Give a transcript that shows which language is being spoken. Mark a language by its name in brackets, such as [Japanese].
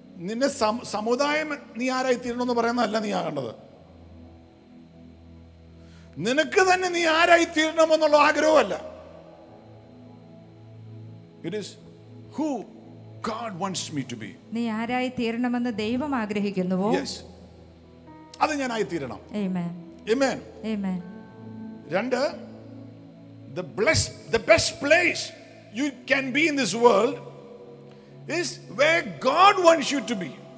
[Malayalam] നിന്നെ സമുദായം നീ ആരായി തീരണം എന്ന് പറയുന്നതല്ല നീ ആകേണ്ടത്, നിനക്ക് തന്നെ നീ ആരായി തീരണമെന്നുള്ള ആഗ്രഹമല്ല. [English] It is who God wants me to be. [Malayalam] നീ ആരായി തീരണമെന്ന് ദൈവം ആഗ്രഹിക്കുന്നുവോ? Yes. അത് ഞാൻ ആയി തീരണം. [English] Amen. Amen. Amen. രണ്ട്, the best place you can be in this world is where God wants you to be.